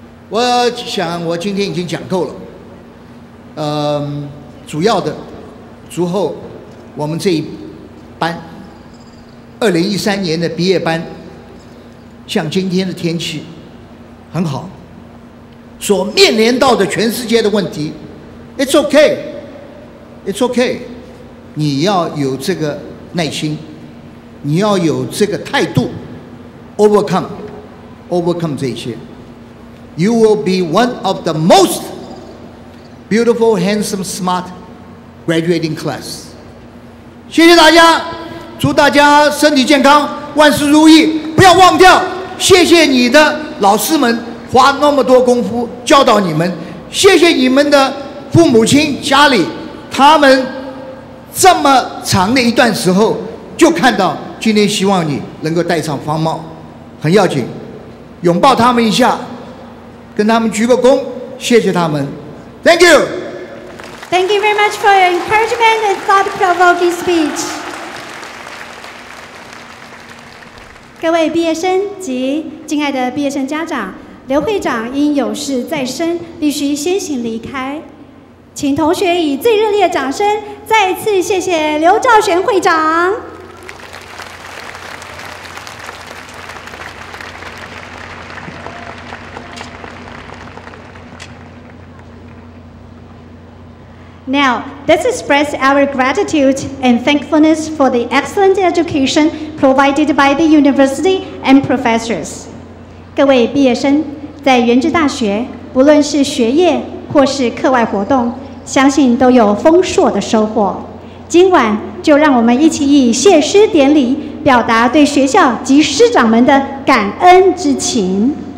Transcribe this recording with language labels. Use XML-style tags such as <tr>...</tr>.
<zh>我想我今天已经讲够了，主要的之后我们这一班2013年的毕业班，像今天的天气很好，所面临到的全世界的问题</zh> <en>It's OK</en> <zh>你要有这个耐心，你要有这个态度 Overcome 这些。</zh> <en>You will be one of the most beautiful, handsome, smart graduating class.</en> <zh>谢谢大家，祝大家身体健康，万事如意，不要忘掉，谢谢你的老师们花那么多功夫教导你们，谢谢你们的父母亲家里他们这么长的一段时候就看到今天希望你能够戴上方帽，很要紧，拥抱他们一下，跟他们鞠个躬，谢谢他们。</zh> <en>Thank you. Thank you very much for your encouragement and thought-provoking speech.</en> <zh>各位毕业生及敬爱的毕业生家长，刘会长因有事在身必须先行离开，请同学以最热烈的掌声再次谢谢刘兆玄会长。</zh> <en>Now, let's express our gratitude and thankfulness for the excellent education provided by the university and professors.</en> <zh>各位毕业生，在原治大学，不论是学业或是课外活动，相信都有丰硕的收获。今晚就让我们一起以谢师典礼表达对学校及师长们的感恩之情。</zh>